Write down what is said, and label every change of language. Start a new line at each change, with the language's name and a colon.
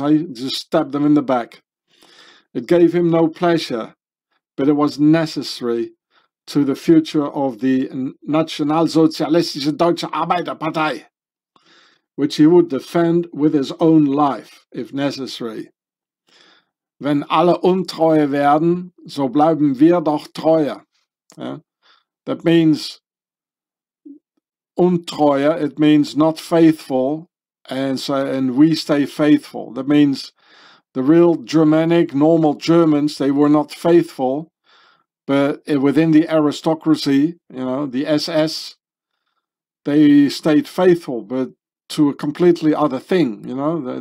English: I just stabbed them in the back. It gave him no pleasure, but it was necessary to the future of the Nationalsozialistische Deutsche Arbeiterpartei, which he would defend with his own life, if necessary.
German: Wenn alle untreue werden, so bleiben wir doch treuer.
English: Yeah? That means untreuer, it means not faithful, and we stay faithful. That means the real Germanic, normal Germans, they were not faithful, but within the aristocracy, you know, the SS, they stayed faithful, but to a completely other thing, you know.